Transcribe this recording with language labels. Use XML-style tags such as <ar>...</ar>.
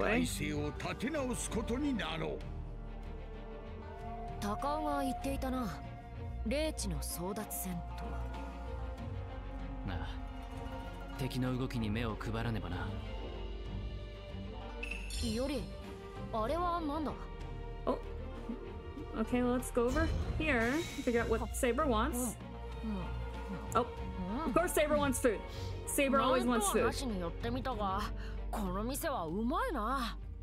<ja>体制を立て直すことになろう。高尾が言っていたな、霊地の争奪戦とは。ああ、敵の動きに目を配らねばな。より、あれはなんだ。</ja> <en>Oh, okay, let's go over here and figure out what Saber wants. Oh, of course Saber wants food. Saber always wants food.</en> <ja>前とはなしに寄ってみたが、この店はうまいな。</ja>